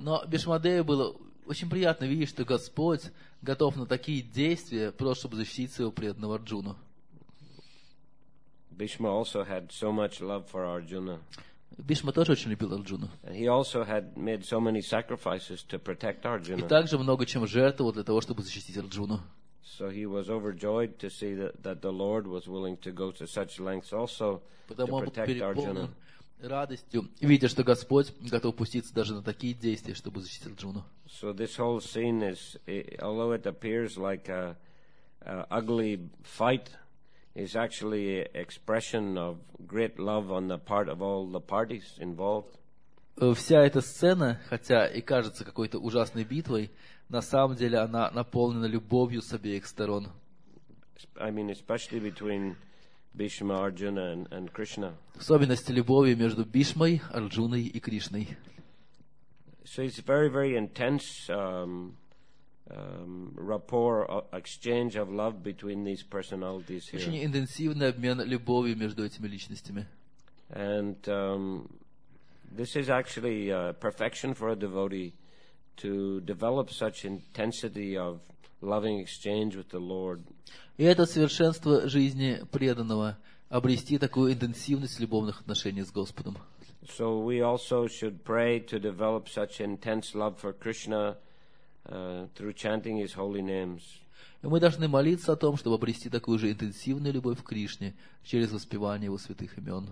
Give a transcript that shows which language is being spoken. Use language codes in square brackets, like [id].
[ru] Но Бхишма Деве было очень приятно видеть, что Господь готов на такие действия, просто чтобы защитить своего преданного Арджуну. [en] Bhishma also had so much love for Arjuna. [ru] Бхишма тоже очень любил Арджуну. [en] He also had made so many sacrifices to protect Arjuna. [ru] И также много чем жертвовал для того, чтобы защитить Арджуну. [en] So he was overjoyed to see that the Lord was willing to go to such lengths also [ru] Потому [en] to protect Arjuna. [ru] Радостью, видя, что Господь готов пуститься даже на такие действия, чтобы защитить Арджуну. [en] So this whole scene is, although it appears like a ugly fight, is actually an expression of great love on the part of all the parties involved. [ru] Вся эта сцена, хотя и кажется какой-то ужасной битвой, на самом деле она наполнена любовью с обеих сторон. [en] I mean, especially between Bhishma, Arjuna and Krishna. [ru] Особенности любви между Бхишмой, Арджуной и Кришной. [en] So it's very, very intense rapport, exchange of love between these personalities here. [ru] Очень интенсивный обмен любовью между этими личностями. [en] And this is actually perfection for a devotee to develop such intensity of loving exchange with the Lord. [ru] И это совершенство жизни преданного обрести такую интенсивность любовных отношений с Господом. [en] So we also should pray to develop such intense love for Krishna through chanting his holy names. [ru] И мы должны молиться о том, чтобы обрести такую же интенсивную любовь к Кришне через воспевание его святых имен.